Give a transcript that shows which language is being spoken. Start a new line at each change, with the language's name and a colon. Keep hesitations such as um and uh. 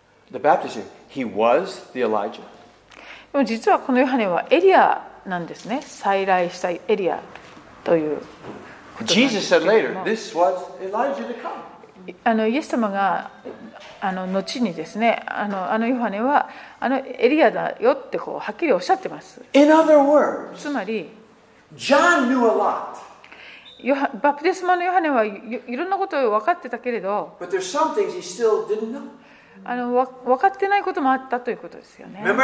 English: The baptism, he was the Elijah.
Japanese: でも実はこのヨハネはエリアなんですね。再来したエリアという。
English: Jesus said later, this was Elijah to come.
Japanese: あのイエス様があの後にですねあの、あのヨハネはあのエリアだよってこうはっきりおっしゃってます。
English: In other words,
Japanese: つまり、
English: John knew a lot.
Japanese: ヨハバプテスマのヨハネはい,いろんなことを分かってたけれど、
English: But there's some things he still didn't know.
Japanese: あの分かってないこともあったということですよね。